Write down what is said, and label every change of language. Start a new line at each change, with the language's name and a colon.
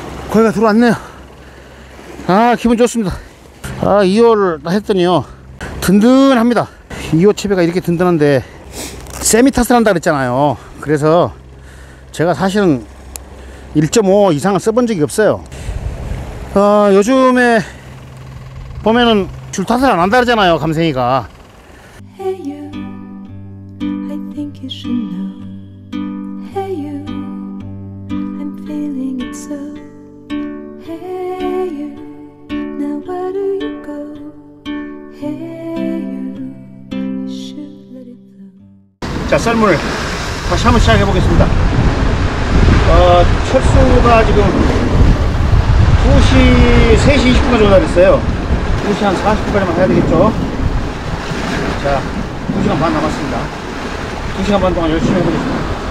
Korean: 고기가 들어왔네요. 아, 기분 좋습니다. 아, 2호를 했더니요, 든든합니다. 2호 체배가 이렇게 든든한데 세미타스를 한다 그랬잖아요. 그래서 제가 사실은 1.5 이상을 써본 적이 없어요. 어, 요즘에 보면은 줄 탓을 안 한다 그러잖아요, 감생이가.
English: Hey you, I think you should know. Hey you, I'm feeling it so. Hey you, now where do you go? Hey you, you should let it go.
Korean: 자, 썰물 다시 한번 시작해 보겠습니다. 철수가 지금 2시, 3시 20분 정도 됐어요. 2시 한 40분까지만 해야 되겠죠. 자, 2시간 반 남았습니다. 2시간 반 동안 열심히 해보겠습니다.